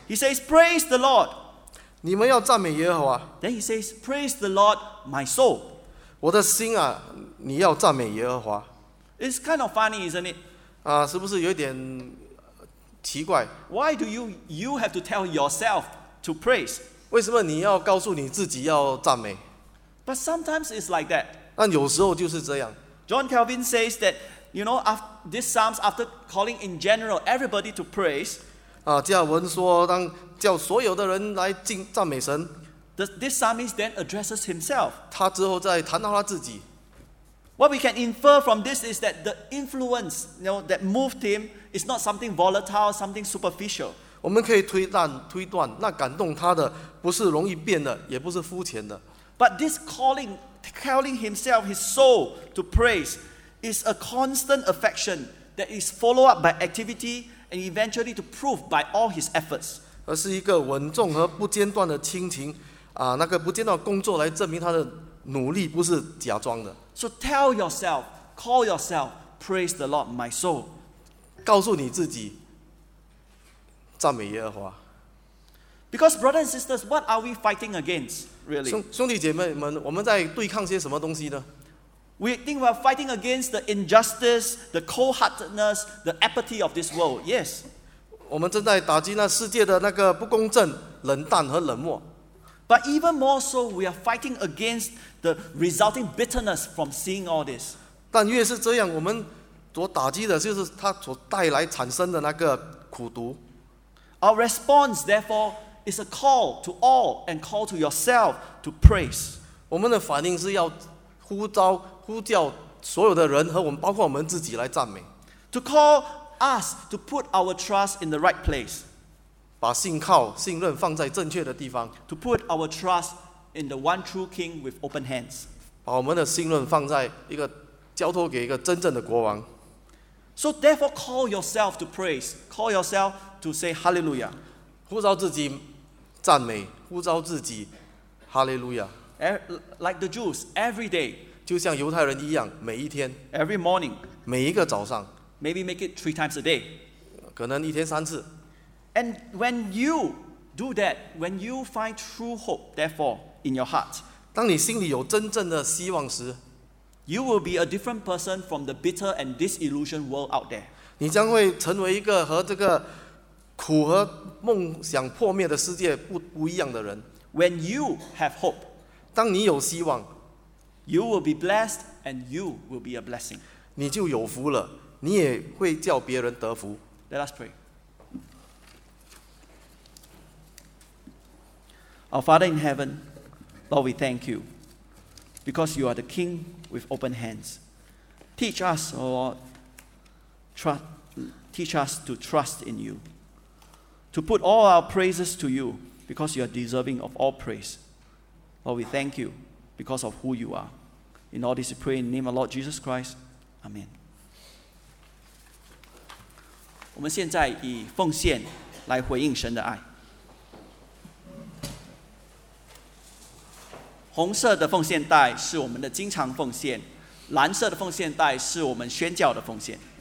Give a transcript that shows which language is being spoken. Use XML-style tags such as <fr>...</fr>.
<en>He says, "Praise the Lord."</en> <zh>你们要赞美耶和华。</zh> <en>Then he says, "Praise the Lord, my soul."</en> <zh>我的心啊，你要赞美耶和华。</zh> <en>It's kind of funny, isn't it?</en> <zh>啊，是不是有点奇怪</zh> <en>？Why do you have to tell yourself? To praise.</en> <zh>为什么你要告诉你自己要赞美</zh> <en>？But sometimes it's like that.</en> <zh>但有时候就是这样。</zh> <en>John Calvin says that, you know, after these psalms, after calling in general everybody to praise.</en> <zh>啊，加尔文说，当叫所有的人来赞美神。</zh> <en>This psalmist then addresses himself.</en> <zh>他之后再谈到他自己。</zh> <en>What we can infer from this is that the influence, you know, that moved him is not something volatile, something superficial.</en> <zh>我们可以推断，那感动他的不是容易变的，也不是肤浅的。</zh> <en>But this calling himself, his soul to praise, is a constant affection that is followed up by activity and eventually to prove by all his efforts.</en> <zh>而是一个稳重和不间断的亲情，啊，那个不间断的工作来证明他的努力不是假装的。</zh> <en>So tell yourself, call yourself, praise the Lord, my soul.</en> <zh>告诉你自己。赞美耶和华。</zh> <en>Because brothers and sisters, what are we fighting against, really?</en> <zh>兄弟姐妹们，我们在对抗些什么东西呢</zh> <en>？We think we are fighting against the injustice, the cold-heartedness, the apathy of this world. Yes.</en> <zh>我们正在打击那世界的那个不公正、冷淡和冷漠。</zh> <en>But even more so, we are fighting against the resulting bitterness from seeing all this.</en> <zh>但越是这样，我们所打击的就是它所带来产生的那个苦毒。</zh> <en>Our response, therefore, is a call to all and call to yourself to praise.</en> <zh>我们的反应是要呼叫所有的人和我们，包括我们自己来赞美。</zh> <en>To call us to put our trust in the right place.</en> <zh>把信任放在正确的地方。</zh> <en>To put our trust in the one true King with open hands.</en> <zh>把我们的信任放在一个交托给一个真正的国王。</zh> <en>So therefore, call yourself to praise. Call yourself. To say hallelujah.</en> <zh>呼召自己赞美，呼召自己 hallelujah.</zh> <en>Like the Jews, every day.</en> <zh>就像犹太人一样，每一天。</zh> <en>Every morning.</en> <zh>每一个早上。</zh> <en>Maybe make it 3 times a day.</en> <zh>可能一天三次。</zh> <en>And when you do that, when you find true hope, therefore, in your heart.</en> <zh>当你心里有真正的希望时</zh> <en>，you will be a different person from the bitter and disillusioned world out there.</en> <zh>你将会成为一个和这个苦和梦想破灭的世界不一样的人。</zh> <en>When you have hope,</en> <zh>当你有希望</zh> <en>，You will be blessed and you will be a blessing.</en> <zh>你就有福了，你也会叫别人得福。</zh> <en>Let us pray. Our Father in heaven, Lord, we thank you because you are the King with open hands. Teach us, O Lord, teach us to trust in you, to put all our praises to you because you are deserving of all praise. Lord, we thank you because of who you are. In all this, we pray in the name of Lord Jesus Christ. Amen.</en> <zh>我们现在以奉献来回应神的爱。红色的奉献袋是我们的经常奉献，蓝色的奉献袋是我们宣教的奉献。</zh>